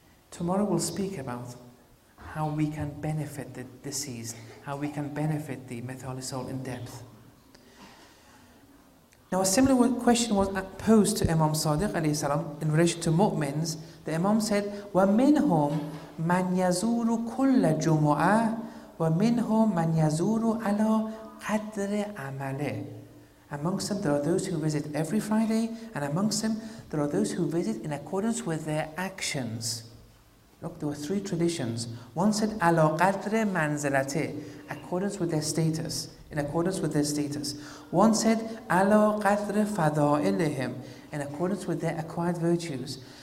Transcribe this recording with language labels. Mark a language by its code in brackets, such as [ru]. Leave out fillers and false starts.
[en] Tomorrow we'll speak about how we can benefit the deceased, how we can benefit the mithali soul in depth. Now, a similar question was posed to Imam Sadiq alayhi salam in relation to mu'mins. The Imam said, [ar] وَمِنْهُمْ مَنْ يَزُورُ كُلَّ جُمُعَةٍ وَمِنْهُمْ مَنْ يَزُورُ عَلَىٰ قَدْرِ عَمَلِهِ. [en] Amongst them, there are those who visit every Friday, and amongst them, there are those who visit in accordance with their actions. Look, there were three traditions. One said, [ar] عَلَىٰ قَدْرِ مَنْزِلَتِهِ, [en] accordance with their status. In accordance with their status. One said, [ar] Ala qadri fada'ilihim, [en] in accordance with their acquired virtues.